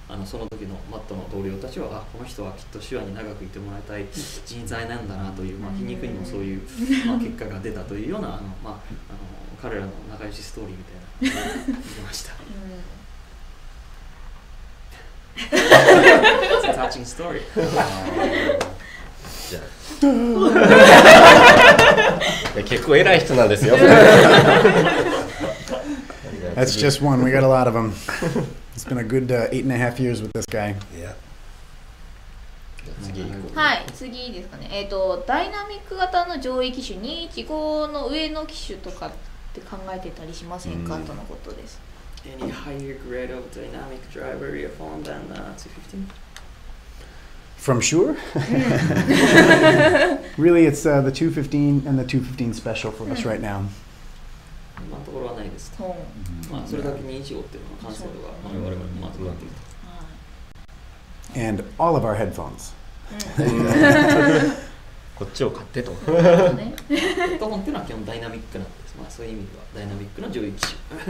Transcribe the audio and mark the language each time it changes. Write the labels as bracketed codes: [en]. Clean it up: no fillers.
[ja] その時のマットの同僚たちは、あ、この人はきっと手話に長くいてもらいたい人材なんだなという、まあ、皮肉にもそういう、まあ、結果が出たというような彼らの仲良しストーリーみたいなのが出ました。 [en] It's a touching story. [ja] じゃあ結構偉い人なんですよ。 [en] That's just one. We got a lot of them. It's been a good 8.5 years with this guy. Yeah. [ja] はい、次ですかね。ダイナミック型の上位機種、215の上の機種とかって考えてたりしませんか、とのことです。 [en] Any higher grade of dynamic driver your phone than 215? From Shure? Really, it's the 215 and the 215 special for us right now. [ja] まあ、ところはないです、うん、まあ、それだけ215っていうのは完成度が我々も高くなっていると、うん、 [en] And all of our headphones、う [ja] ん、こっちを買ってとヘッドホンっていうのは基本ダイナミックなんです。まあ、そういう意味ではダイナミックな上位機種。